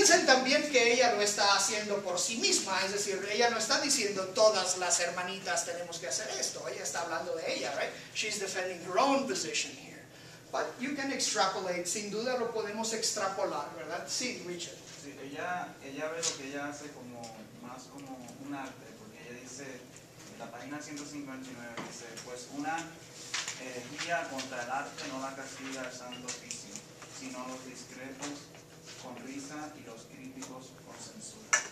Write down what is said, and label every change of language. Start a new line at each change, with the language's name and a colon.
Spanish: también que ella lo está haciendo por sí misma, es decir, ella no está diciendo todas las hermanitas tenemos que hacer esto, ella está hablando de ella, right?
English: She's defending her own position here. But you can extrapolate,
Spanish: sin duda lo podemos extrapolar, ¿verdad? Sí, Richard. Sí, ella ve lo que ella hace como más como un arte, porque ella dice, en la página 159 dice, pues una herejía contra el arte no la castiga el santo oficio, sino los discretos con risa y los críticos con censura.